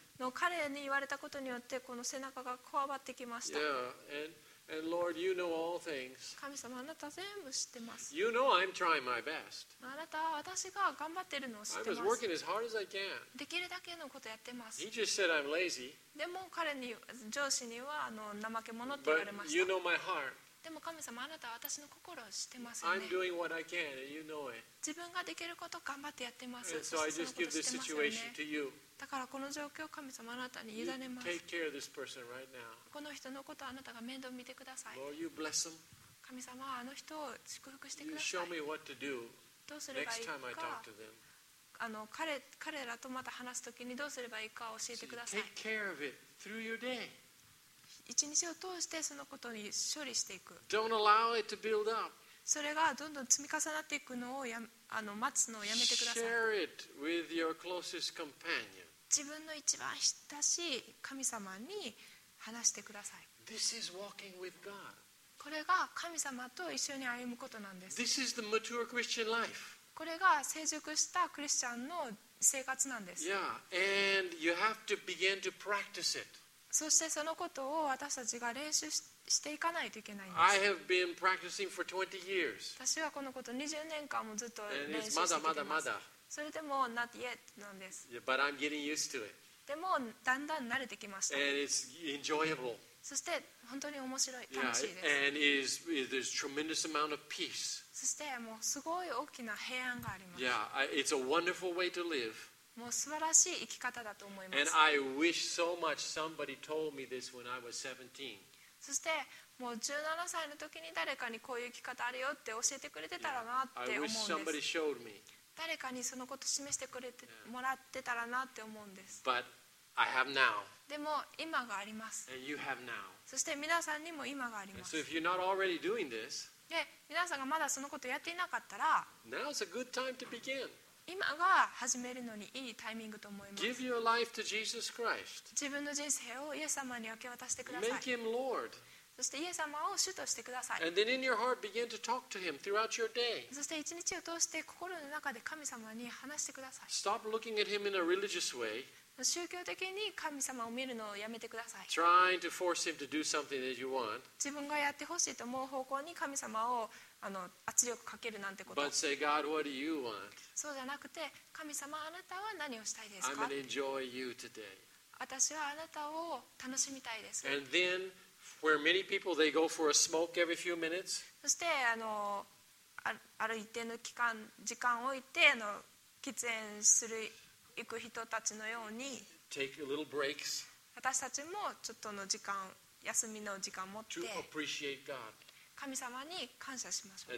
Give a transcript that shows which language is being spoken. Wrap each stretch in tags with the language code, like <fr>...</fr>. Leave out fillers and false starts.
<ja>の彼に言われたことによってこの背中がこわばってきました。</ja> <en>Yeah, and Lord, you know all things.</en> <ja>神様、あなた全部知ってます。</ja> <en>You know I'm trying my best.</en> <ja>あなたは私が頑張ってるのを知ってます。</ja> <en>I was working as hard as I can.</en> <ja>できるだけのことやってます。</ja> <en>He just said I'm lazy.</en> <ja>でも彼に上司にはあの怠け者って言われました。</ja> <en>But you know my heart.</en> <ja>でも神様、あなたは私の心を知ってますよね。</ja> <en>I'm doing what I can, and you know it.</en> <ja>自分ができることを頑張ってやってます。そして、そのことを知ってますよね。だからこの状況を神様、あなたに委ねます。</ja> <en>You take care of this person right now.</en> <ja>この人のことをあなたが面倒見てください。</ja> <en>Lord, you bless him.</en> <ja>神様、あの人を祝福してください。</ja> <en>You show me what to do.</en> <ja>どうすればいいか。あの 彼らとまた話すときにどうすればいいか教えてください。</ja> <en>So、take care of it through your day.</en> <ja>一日を通してそのことに処理していく。</ja> <en>Don't allow it to build up.</en> <ja>それがどんどん積み重なっていくのをやあの待つのをやめてください。</ja> <en>Share it with your closest companion.</en> <ja>自分の一番親しい神様に話してください。</ja> <en>This is walking with God.</en> <ja>これが神様と一緒に歩むことなんです。</ja> <en>This is the mature Christian life.</en> <ja>これが成熟したクリスチャンの生活なんです。</ja> <en>Yeah, and you have to begin to practice it.</en> <ja>そしてそのことを私たちが練習 していかないといけないんです。</ja> <en>I have been practicing for 20 years.</en> <ja>私はこのこと20年間もずっと練習してきてます。まだまだまだ。それでも</ja> <en>not yet</en> <ja>なんです。</ja> <en>Yeah, but I'm getting used to it.</en> <ja>でもだんだん慣れてきました。</ja> <en>And it's enjoyable.</en> <ja>そして本当に面白い、楽しいです。</ja> <en>Yeah, and there's tremendous amount of peace.</en> <ja>そしてもうすごい大きな平安があります。</ja> <en>Yeah, it's a wonderful way to live.</en> <ja>もう素晴らしい生き方だと思います。</ja> <en>And I wish so much somebody told me this when I was 17.</en> <ja>そしてもう17歳の時に誰かにこういう生き方あるよって教えてくれてたらなって思うんです。</ja> <en>Yeah. I wish somebody showed me.</en> <ja>誰かにそのこと示してくれて、yeah. もらってたらなって思うんです。</ja> <en>But I have now.</en> <ja>でも今があります。</ja> <en>And you have now.</en> <ja>そして皆さんにも今があります。</ja> <en>And so if you're not already doing this,</en> <ja>で皆さんがまだそのことやっていなかったら、</ja> <en>Now's a good time to begin.</en> <ja>今が始めるのにいいタイミングと思います。</ja> <en>Give your life to Jesus Christ.</en> <ja>自分の人生をイエス様に明け渡してください。</ja> <en>Make him Lord.</en> <ja>そしてイエス様を主としてください。</ja> <en>And then in your heart begin to talk to him throughout your day.</en> <ja>そして一日を通して心の中で神様に話してください。</ja> <en>Stop looking at him in a religious way.</en> <ja>宗教的に神様を見るのをやめてください。</ja> <en>Trying to force him to do something that you want.</en> <ja>自分がやってほしいと思う方向に神様をあの圧力かけるなんてこと。</ja> <en>But say, God, what do you want?</en> <ja>そうじゃなくて、神様、あなたは何をしたいですか？</ja> <en>I'm going to enjoy you today.</en> <ja>私はあなたを楽しみたいです。</ja> <en>And then, where many people, they go for a smoke every few minutes.</en> <ja>そして、あの、ある一定の期間、時間を置いて、あの、喫煙する、行く人たちのように、</ja> <en>Take a little breaks.</en> <ja>私たちもちょっとの時間、休みの時間を持って、</ja> <en>To appreciate God.</en> <ja>神様に感謝しましょう。</ja>